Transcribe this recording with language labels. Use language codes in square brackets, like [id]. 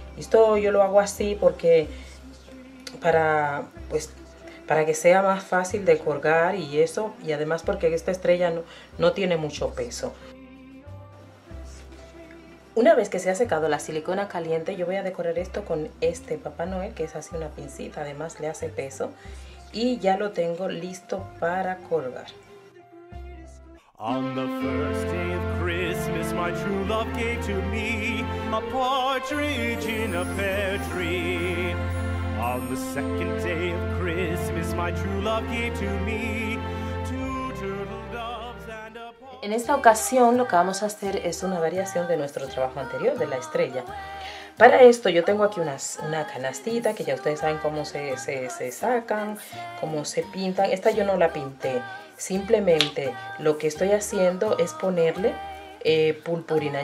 [es] Esto yo lo hago así porque para que sea más fácil de colgar y eso, y además porque esta estrella no tiene mucho peso. Una vez que se ha secado la silicona caliente, yo voy a decorar esto con este Papá Noel, que es así una pincita, además le hace peso. Y ya lo tengo listo para colgar. [en] On the first day of Christmas, my true love gave to me a partridge in a pear tree. On the second day of Christmas, my true love gave to me two turtle doves and a partridge. [es] En esta ocasión lo que vamos a hacer es una variación de nuestro trabajo anterior de la estrella. Para esto yo tengo aquí una canastita que ya ustedes saben cómo se sacan, cómo se pintan. Esta yo no la pinté, simplemente lo que estoy haciendo es ponerle purpurina.